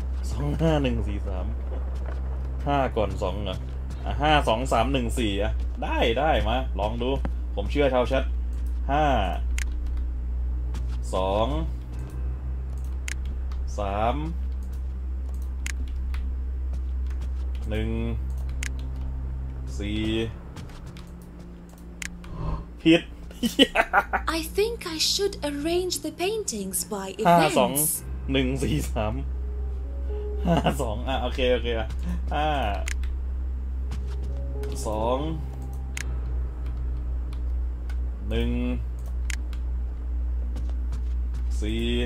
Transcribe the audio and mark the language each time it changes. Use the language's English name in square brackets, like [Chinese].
[Thai] 2 5 1 4 3 5ก่อน2เหรอ5 2 3 1 4อ่ะได้ๆมาลองดูผมเชื่อชาวแชท5 2สามหนึ่งสี่ผิด [English] I think I should arrange the paintings by events [Thai] ห้าสองหนึ่งสี่สามห้าสองอ่ะโอเคโอเคอ่ะห้าสองหนึ่งสี่